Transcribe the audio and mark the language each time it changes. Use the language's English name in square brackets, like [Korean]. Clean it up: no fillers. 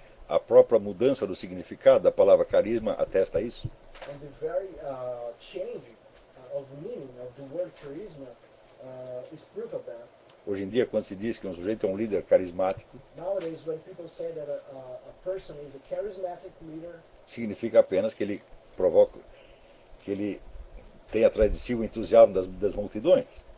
[Portuguese] A própria mudança do significado da palavra carisma atesta isso. [English] And the very change of meaning of the word charisma is proof of that. [Portuguese] Hoje em dia, quando se diz que um sujeito é um líder carismático, [English] nowadays, when people say that a person is a charismatic leader, [Portuguese] significa apenas que ele provoca, que ele tem atrás de si o entusiasmo das multidões.